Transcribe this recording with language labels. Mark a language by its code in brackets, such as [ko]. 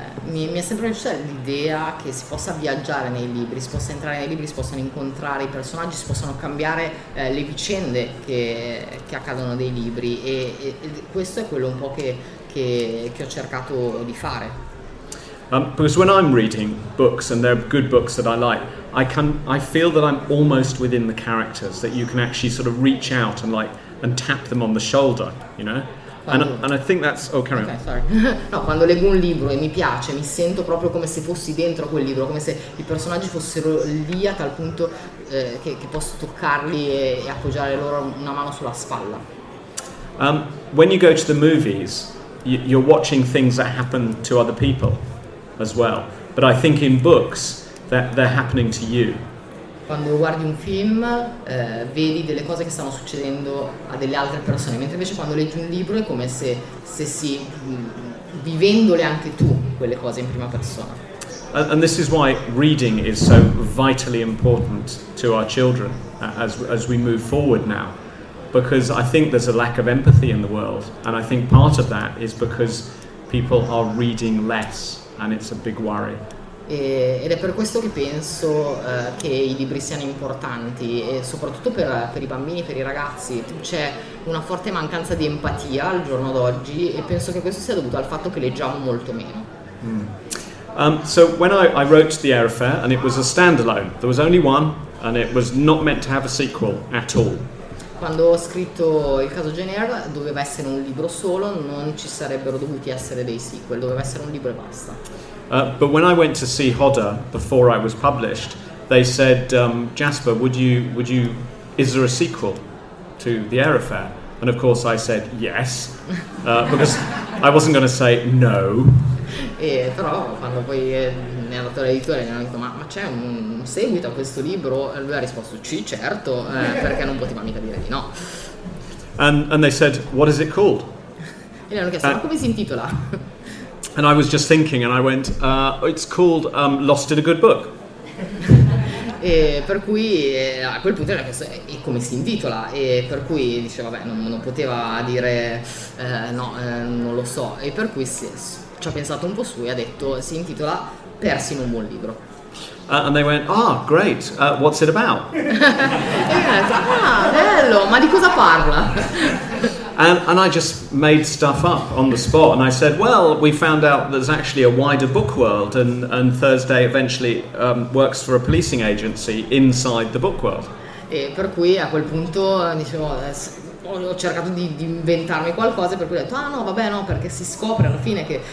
[it] Mi è sempre piaciuta l'idea che si possa viaggiare nei libri, si possa entrare nei libri, si possano incontrare i personaggi, si possano cambiare le vicende che accadono nei libri, e questo è quello un po' che ho cercato di fare. [en] Because when I'm reading books and they're good books that I like, I feel that I'm almost within the characters, that you can actually sort of reach out and like and tap them on the shoulder, you know? And I think that's okay. Okay, sorry. [it] No, quando leggo un libro e mi piace, mi sento proprio come se fossi dentro quel libro, come se i personaggi fossero lì a tal punto che posso toccarli e appoggiare loro una mano sulla spalla. [en] When you go to the movies, you're watching things that happen to other people as well. But I think in books that they're happening to you. [it] Quando guardi un film, vedi delle cose che stanno succedendo a delle altre persone, mentre invece quando leggi un libro è come se si vivendole anche tu quelle cose in prima persona. [en] And this is why reading is so vitally important to our children as we move forward now, because I think there's a lack of empathy in the world, and I think part of that is because people are reading less, and it's a big worry. [it] Ed è per questo che penso che i libri siano importanti, e soprattutto per i bambini, per i ragazzi. C'è una forte mancanza di empatia al giorno d'oggi, e penso che questo sia dovuto al fatto che leggiamo molto meno. [en] So when I wrote The Air Affair, and it was a standalone, there was only one, and it was not meant to have a sequel at all. [it] Quando ho scritto Il caso Jenner doveva essere un libro solo, non ci sarebbero dovuti essere dei sequel, doveva essere un libro e basta. [en] But when I went to see Hodder before I was published, they said, Jasper, would you, is there a sequel to The Air Affair? And of course I said yes, because I wasn't going to say no. [it] Però quando poi è andato all'editore mi hanno detto, ma c'è un seguito a questo libro? E lui ha risposto, sì, certo, perché non poteva mica dire di no. [en] And they said, what is it called? [it] E gli hanno chiesto, ma come si intitola? [en] And I was just thinking, and I went, it's called Lost in a Good Book. [it] E per cui a quel punto era chiesto, e come si intitola? E per cui diceva, vabbè, non poteva dire, non lo so. E per cui ci ha pensato un po' su e ha detto, si intitola Persi in un buon libro. [en] And they went, ah, great, what's it about? [it] E ha detto, ah, bello, ma di cosa parla? [en] And I just made stuff up on the spot, and I said, well, we found out there's actually a wider book world, and Thursday eventually works for a policing agency inside the book world. [it] E per cui a quel punto ho cercato di inventarmi qualcosa, per cui ho detto, ah no, vabbè no, perché si scopre alla fine che